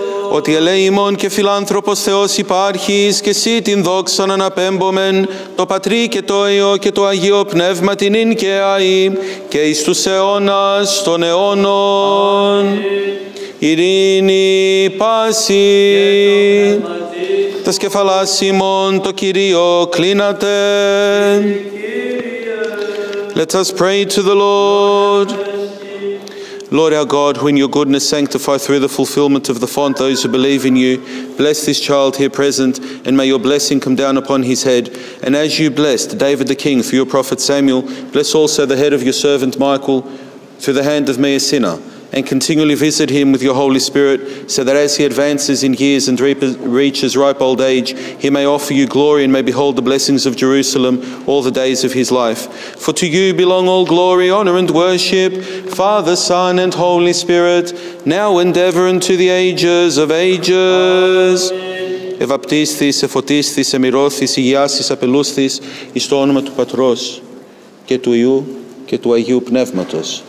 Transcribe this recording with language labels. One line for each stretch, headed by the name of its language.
Greek: Ότι ελέημον και φιλάνθρωπος Θεός υπάρχεις και εσύ την δόξα να αναπέμπομεν το Πατρί και το Υιό και το Αγίο Πνεύμα την ίν και αΐ και εις τους αιώνας των αιώνων. Ειρήνη πάση τας κεφαλάς ημών το Κυρίο κλείνατε.
English: Let us pray to the Lord. Lord our God, who in your goodness sanctify through the fulfillment of the font those who believe in you, bless this child here present, and may your blessing come down upon his head. And as you blessed David the king through your prophet Samuel, bless also the head of your servant Michael through the hand of me, a sinner, and continually visit him with your Holy Spirit, so that as he advances in years and reaches ripe old age, he may offer you glory and may behold the blessings of Jerusalem all the days of his life. For to you belong all glory, honor, and worship, Father, Son, and Holy Spirit, now and ever and to the ages of ages.
Greek: Ευαπτίσθης, εφωτίσθης, εμυρώθης, υγειάσθης, απελούσθης, εις το όνομα του Πατρός και του Υιού και του Αγίου Πνεύματος.